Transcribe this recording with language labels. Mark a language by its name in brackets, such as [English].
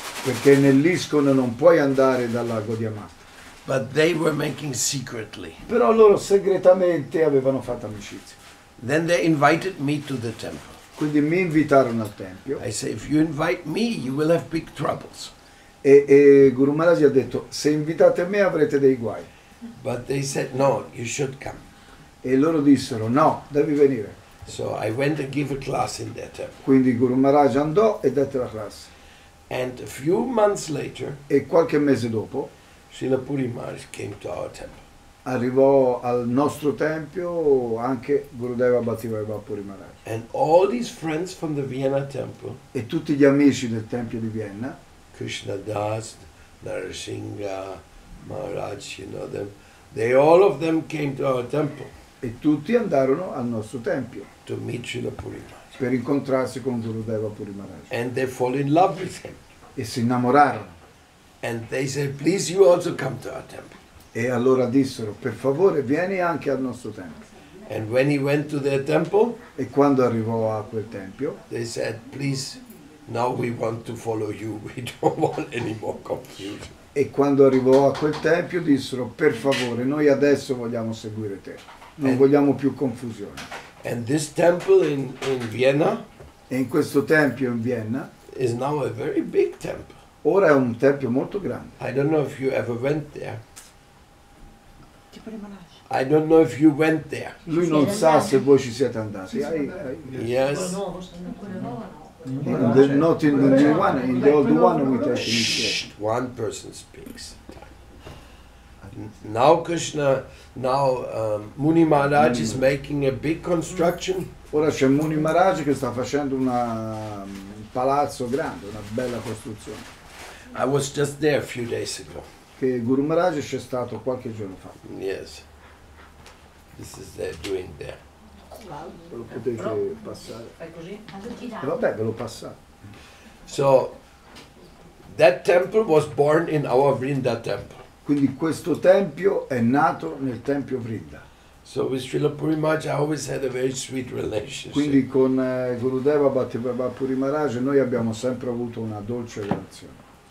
[Italian] Perché nell'ISKCON non puoi andare dalla Gaudiamat. [English] But they were making secretly. [Italian] Però loro segretamente avevano fatto amicizia. [English] Then they invited me to the temple. [Italian] Quindi mi invitarono al tempio. [English] I say, if you invite me, you will have big troubles. [Italian] E Guru Maharaj ha detto, se invitate me avrete dei guai. [English] But they said, no, you should come. [Italian] E loro dissero, no, devi venire. [English] So I went and gave a class in that temple. [Italian] Quindi Guru Maharaj andò e dette la classe. [English] And a few months later, [Italian] e qualche mese dopo, [English] Srila Puri Maharaj came to our temple. [Italian] Arrivò al nostro tempio anche Gurudeva Bhakti Puri Maharaj. [English] And all these friends from the Vienna temple. [Italian] E tutti gli amici del tempio di Vienna. [English] Krishna Das, Narasingha, Maharaj, you know them. They all of them came to our temple. [Italian] E tutti andarono al nostro tempio. [English] To meet Srila Puri Maharaj. [Italian] Per incontrarsi con Gurudeva Puri Maharaj. [English] And they fall in love with him. [Italian] E si innamorarono. [English] And they said, please you also come to our temple. [Italian] E allora dissero, per favore, vieni anche al nostro tempio. [English] And when he went to their temple, [Italian] e quando arrivò a quel tempio, [English] they said, please, now we want to follow you, we don't want any more confusion. [Italian] E quando arrivò a quel tempio, dissero, per favore, noi adesso vogliamo seguire te, non and, vogliamo più confusione. [English] And this temple in Vienna, [Italian] e in questo tempio in Vienna, [English] is now a very big temple. [Italian] Ora è un tempio molto grande. [English] I don't know if you ever went there. I don't know if you went there. [Italian] Lui non sa se voi ci siete andati. [English] Yes. Not in the new one. In the old one we take it. One person speaks. Now Krishna, now Muni Maharaj is making a big construction. [Italian] Ora c'è Muni Maharaj che sta facendo un palazzo grande, una bella costruzione. [English] I was just there a few days ago. [Italian] Che Guru Maharaj c'è stato qualche giorno fa. [English] Yes. This is they're doing there. [Italian] ve lo potete passare. Fai così? E vabbè, ve lo passa. [English] So that temple was born in our Vrinda temple. [Italian] Quindi questo tempio è nato nel tempio Vrinda. [English] So with Srila Purimaj I always had a very sweet relationship. [Italian] Quindi con Gurudeva Bhattibhava Purimaraj noi abbiamo sempre avuto una dolce relazione.